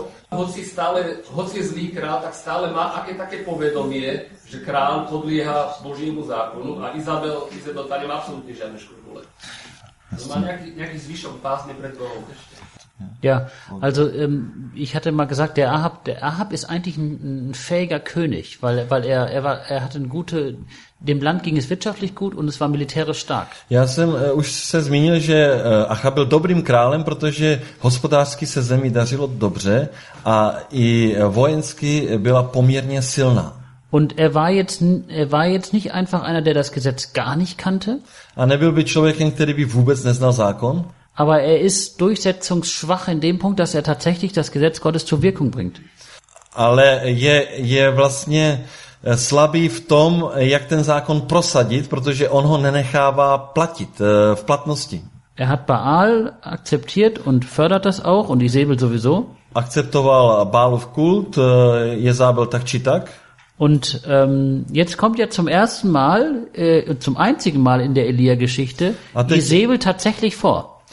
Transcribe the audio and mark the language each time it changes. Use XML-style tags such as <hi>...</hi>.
<sk>Alebo hoci zlý král, tak stále má aké také povedomie, že král podlieha božímu zákonu a Izabel tady má absolutně žádné škrupule. To má nějaký zvyšok pásny pred Bohom ešte.</sk> <de>Ja, also ich hatte mal gesagt, der Ahab ist eigentlich ein fähiger König, weil er hatte eine gute, dem Land ging es wirtschaftlich gut und es war militärisch stark.</de> <cs>Ja, jsem už se zmínil, že Achab byl dobrým králem, protože hospodářsky se zemi dařilo dobře a i vojensky byla poměrně silná.</cs> <de>Und er war jetzt nicht einfach einer, der das Gesetz gar nicht kannte.</de> <cs>A nebyl by člověkem, který by vůbec neznal zákon.</cs> <de>Aber er ist durchsetzungsschwach in dem Punkt, dass er tatsächlich das Gesetz Gottes zur Wirkung bringt.</de> <cs>Ale je vlastně slabý v tom, jak ten zákon prosadit, protože on ho nenechává platit v platnosti.</cs> <de>Er hat Baal akzeptiert und fördert das auch und Isabel sowieso.</de> <cs>Akceptoval Baalův kult, Jezabel tak či tak.</cs> <de>Und jetzt kommt ja zum ersten Mal, zum einzigen Mal in der Elia-Geschichte Isabel tatsächlich vor.</de>